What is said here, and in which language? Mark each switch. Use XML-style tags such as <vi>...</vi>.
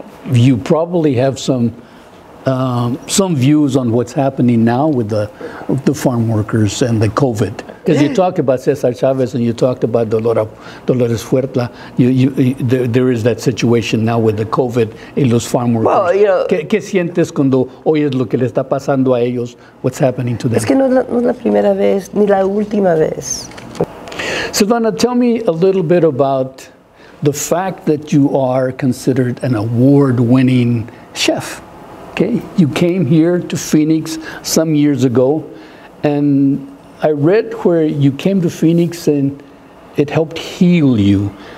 <en>You probably have some views on what's happening now with the farm workers and the COVID. Because you talk about Cesar Chavez and you talked about Dolores Fuerta. There is that situation now with the COVID and los farm workers. Well, you know,</en> <es>¿Qué sientes cuando oyes lo que le está pasando a ellos?</es> <en>What's happening to them?</en> <es>Es que no es la primera vez, ni la última vez.</es> <en>Silvana, tell me a little bit about the fact that you are considered an award-winning chef. Okay, you came here to Phoenix some years ago, and I read where you came to Phoenix and it helped heal you.</en>